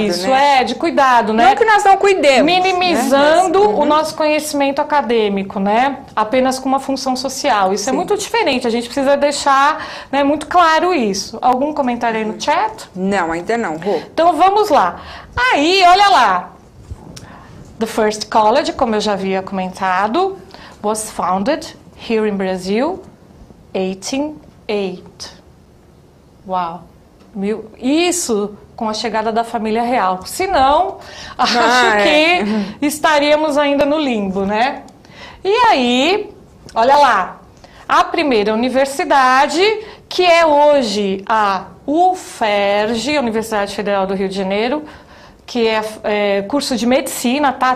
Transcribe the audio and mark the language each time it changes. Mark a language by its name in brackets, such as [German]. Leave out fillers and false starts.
[Portuguese] isso. Né? É, de cuidado, né? Não que nós não cuidemos. Minimizando, né? Mas, uhum, o nosso conhecimento acadêmico, né? Apenas com uma função social. Isso, sim, é muito diferente. A gente precisa deixar, né, muito claro isso. Algum comentário aí no chat? Não, ainda não. Vou. Então vamos lá. Aí, olha lá. [English] The First College, [Portuguese] como eu já havia comentado, [English] was founded here in Brazil 1808. [Portuguese] Uau. Isso com a chegada da família real. Se não, acho que estaríamos ainda no limbo, né? E aí, olha lá, a primeira universidade, que é hoje a UFERJ, Universidade Federal do Rio de Janeiro, que é curso de medicina, tá?